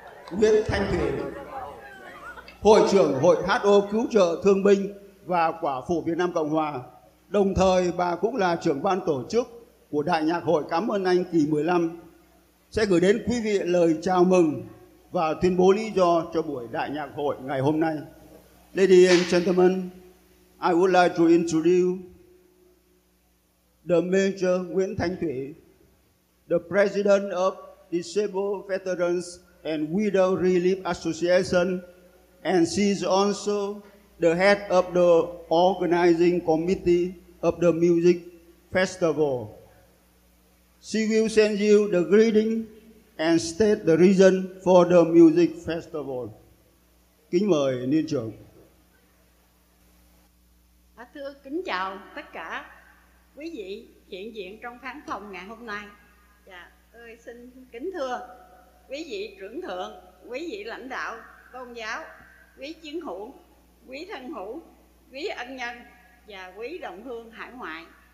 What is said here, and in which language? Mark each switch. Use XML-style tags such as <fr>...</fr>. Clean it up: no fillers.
<vi>Nguyễn Thanh Thủy, Hội trưởng Hội HO Cứu trợ Thương binh và Quả phụ Việt Nam Cộng Hòa. Đồng thời bà cũng là trưởng ban tổ chức của Đại nhạc hội Cảm ơn Anh kỳ 15 sẽ gửi đến quý vị lời chào mừng và tuyên bố lý do cho buổi Đại nhạc hội ngày hôm nay.</vi> <en>Ladies and gentlemen, I would like to introduce the Major Nguyễn Thanh Thủy, the President of Disabled Veterans and Widow Relief Association, and she is also the head of the organizing committee of the music festival. She will send you the greeting and state the reason for the music festival.</en> <vi>Kính mời Niên trưởng. Thưa, kính chào tất cả quý vị hiện diện trong khán phòng ngày hôm nay. Dạ, tôi xin kính thưa quý vị trưởng thượng, quý vị lãnh đạo tôn giáo, quý chiến hữu, quý thân hữu, quý ân nhân và quý đồng hương hải ngoại.</vi>